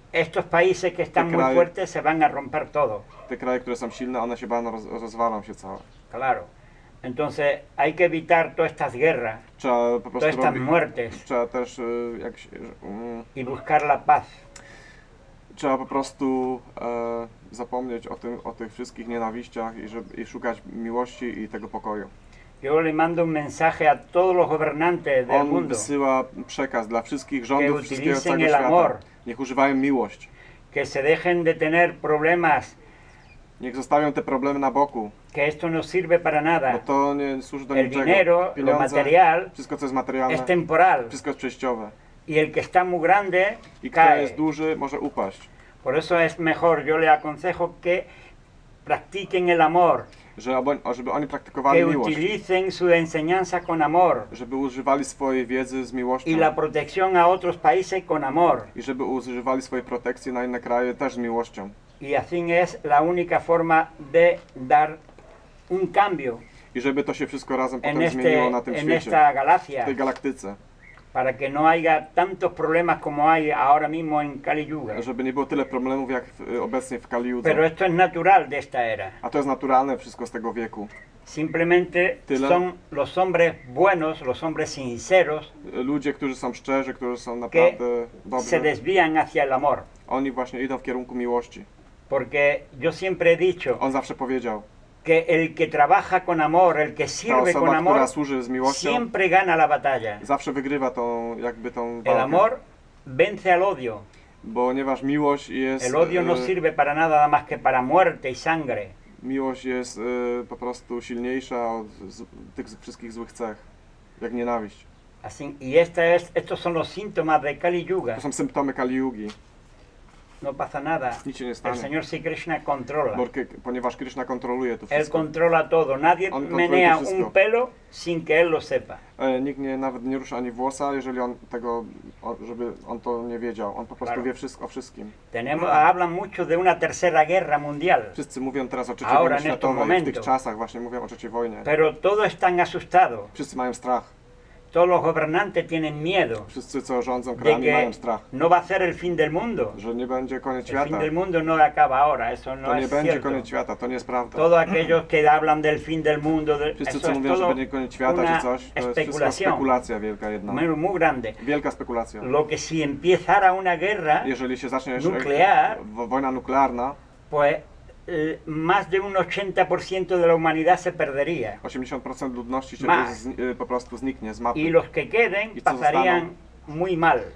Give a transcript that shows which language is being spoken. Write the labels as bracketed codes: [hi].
[es] estos países que están muy fuertes se van a romper todo. [pl] Te kraje, które są silne, one się będą rozwalą się całe. [es] Claro. Entonces hay que evitar todas estas guerras, todas estas muertes, [pl] też, jak się, [es] y buscar la paz. [pl] Trzeba po prostu zapomnieć o tym, o tych wszystkich nienawiściach i szukać miłości i tego pokoju. [es] Yo le mando un mensaje a todos los gobernantes del mundo. [pl] On wysyła przekaz dla wszystkich rządów wszystkiego całego świata. Amor. Niech używają miłość. [es] Que se dejen de tener problemas. [pl] Niech zostawią te problemy na boku. [es] Que esto no sirve para nada. [pl] Bo to nie służy do [es] el [pl] niczego. [es] Dinero, [pl] pieniądze, [es] material, [pl] wszystko, co jest materialne, [es] es temporal. [pl] Wszystko jest przejściowe. [es] Y el que está muy grande, [pl] i kto jest duży, może upaść. [es] Por eso es mejor, yo le aconsejo que practiquen el amor. [pl] Żeby oni praktykowali [es] que [pl] miłość. [es] Utilicen su enseñanza con amor. [pl] Żeby używali swojej wiedzy z miłością. [es] Y la protección a otros países con amor. [pl] I żeby używali swojej protekcji na inne kraje też z miłością. [es] Y así es la única forma de dar un cambio. [pl] I żeby to się wszystko razem potem zmieniło na tym [es] en [pl] świecie. [es] Esta galaxia, [pl] w tej galaktyce. [es] Para que no haya tantos problemas como hay ahora mismo en Kali Yuga. [pl] Żeby nie było tyle problemów jak obecnie w Kali Yudze. [es] Pero esto es natural de esta era. [pl] A to jest naturalne wszystko z tego wieku. [es] Simplemente tyle. Son los hombres buenos, los hombres sinceros. [pl] Ludzie, którzy są szczerzy, którzy są naprawdę dobrzy. [es] Se desvían hacia el amor. [pl] Oni właśnie idą w kierunku miłości. [es] Porque yo siempre he dicho. [pl] On zawsze powiedział. [es] Que el que trabaja con amor, el que sirve [pl] osoba, [es] con amor, [pl] służy z miłością, [es] siempre gana la batalla. [pl] Zawsze wygrywa tą, jakby tą walkę. [es] El amor vence al odio. [pl] Ponieważ miłość jest. [es] El odio no sirve para nada más que para muerte y sangre. [pl] Miłość jest po prostu silniejsza od tych wszystkich złych cech, jak nienawiść. [es] Así, y esta es, estos son los síntomas de Kali Yuga. [pl] To są symptomy Kali Yugi. [es] No pasa nada. [pl] Nic się nie stanie. [es] El señor si Krishna controla. [pl] Porque, ponieważ Krishna kontroluje to wszystko. [es] Él controla todo. Nadie menea un pelo sin que él lo sepa. [pl] Nikt nie, nawet nie rusza ani włosa, jeżeli on tego, żeby on to nie wiedział. On po prostu [es] claro. [pl] Wie wszystko o wszystkim. [es] Tenemos, hablan mucho de una tercera guerra mundial. [pl] Wszyscy mówią teraz o trzeciej [es] ahora, [pl] wojnie światowej. W tych czasach właśnie mówią o trzeciej wojnie. [es] Pero todo están asustado. [pl] Wszyscy mają strach. [es] Todos los gobernantes tienen miedo. [pl] Wszyscy, co rządzą krajami, mają strach. [es] No va a ser el fin del mundo. [pl] Że nie będzie koniec świata. [es] El fin del mundo no acaba ahora. Eso no [pl] to nie [es] es [pl] będzie [es] cierto. [pl] Koniec świata, to nie jest prawda. [es] Todos aquellos que hablan del fin del mundo. [pl] Wszyscy, co mówią, że będzie koniec świata, czy coś, to jest wszystko spekulacja wielka jedna. [es] Muy grande. [pl] Wielka spekulacja. [es] Lo que si empezara una guerra [pl] jeżeli się zacznie [es] nuclear, [pl] wojna nuklearna, [es] pues, más de un 80% de la humanidad se perdería. [pl] 80% ludności się más. Po prostu zniknie z mapy. [es] Y los que queden pasarían muy mal.